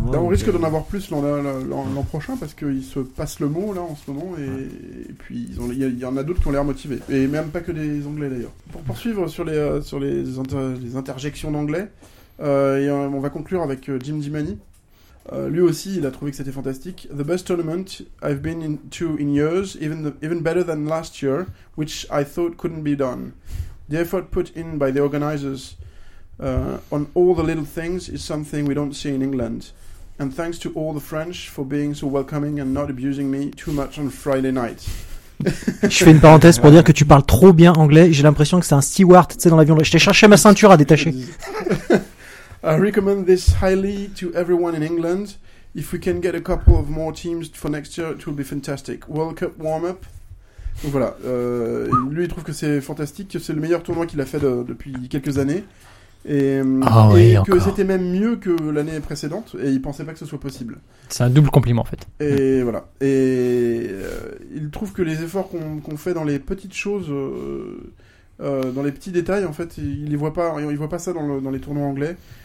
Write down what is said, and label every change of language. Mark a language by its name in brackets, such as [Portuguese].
[French] Là, on risque d'en avoir plus l'an prochain parce qu'ils se passent le mot là en ce moment et puis il y en a d'autres qui ont l'air motivés. Et même pas que des Anglais d'ailleurs. Pour poursuivre sur les interjections d'anglais, on va conclure avec Jim Dimani. Lui aussi, il a trouvé que c'était fantastique. [English] The best tournament I've been to in years, even better than last year, which I thought couldn't be done. The effort put in by the organizers on all the little things is something we don't see in England. And thanks to all the French for being so welcoming and not abusing me too much on Friday night. [French] Je fais une parenthèse pour dire que tu parles trop bien anglais. J'ai l'impression que c'est un steward, tu sais, dans l'avion. Je t'ai cherché ma ceinture à détacher. [English] I recommend this highly to everyone in England. If we can get a couple of more teams for next year, it will be fantastic. World Cup warm-up. [French] Donc voilà, lui il trouve que c'est fantastique, que c'est le meilleur tournoi qu'il a fait depuis quelques années. C'était même mieux que l'année précédente, et il pensait pas que ce soit possible. C'est un double compliment en fait. Voilà. Il trouve que les efforts qu'on fait dans les petites choses, dans les petits détails en fait, il voit pas ça dans les tournois anglais.